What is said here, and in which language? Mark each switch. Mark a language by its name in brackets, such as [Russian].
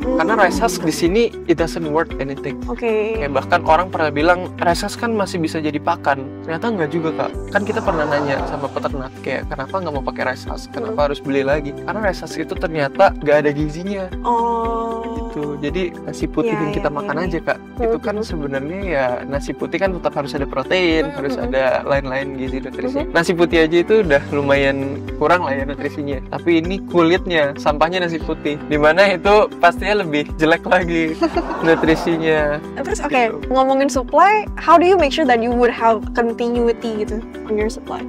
[English] Karena rice husk di sini it doesn't worth anything. [Indonesian] Kayak bahkan orang pernah bilang rice husk kan masih bisa jadi pakan. Ternyata enggak juga, Kak. Kan kita pernah nanya sama peternak kayak kenapa enggak mau pakai rice husk? Kenapa harus beli lagi? Karena rice husk itu ternyata enggak ada gizinya. Gitu. Jadi nasi putih yang kita makan aja, Kak. Itu kan sebenarnya ya nasi putih kan tetap harus ada protein, harus ada lain-lain gizi nutrisi. Nasi putih aja itu udah lumayan kurang lah ya nutrisinya. Tapi ini kulitnya, sampahnya nasi putih. Dimana itu pastinya lebih jelek lagi nutrisinya. Terus gitu. [English] Ngomongin supply, how do you make sure that you would have continuity gitu on your supply?